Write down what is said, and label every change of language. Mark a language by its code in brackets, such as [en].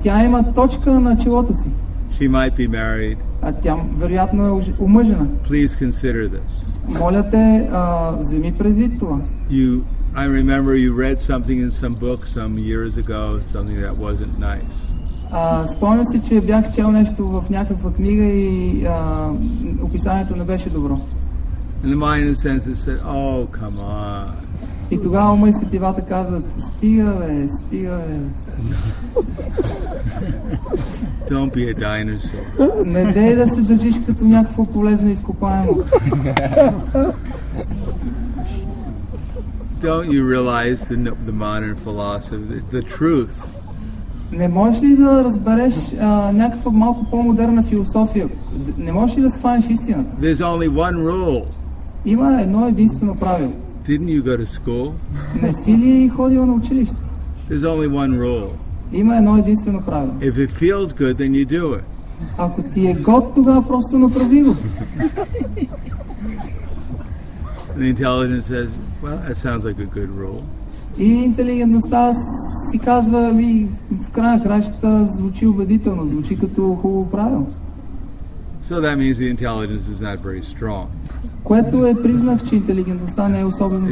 [bg] Тя има точка на челото си. [en] She might be married. [bg] Тя вероятно е омъжена. [en] Please consider this. [bg] Моля те, вземи предвид това. [en] I remember you read something in some book some years ago, something that wasn't nice. [bg] Спомням си, че бях чел нещо в някаква книга и описанието не беше добро. [en] And the mind in a sense said, oh, come on. [bg] И тогава ума и сетивата казват, стига бе, стига бе. [en] Don't be a dinosaur. [bg] Не дей да се държиш като някакво полезно изкопаемо. [en] Don't you realize the modern philosophy, the truth? [bg] Не можеш ли да разбереш някаква малко по-модерна философия? Не можеш ли да схванеш истината? [en] There's only one rule. [bg] Има едно единствено правило. [en] Didn't you go to school? [bg] Не си ли ходил на училище? [en] There's only one rule. [bg] Има едно единствено правило. [en] If it feels good, then you do it. [bg] Ако ти е год, тогава просто направи го. [en] The intelligence says, well, that sounds like a good rule. [bg] И интелигентността си казва, ми в края кращата звучи убедително, звучи като хубаво правило. [en] So that means the intelligence is not very strong. [bg] което е признак, че интелигентността не е особено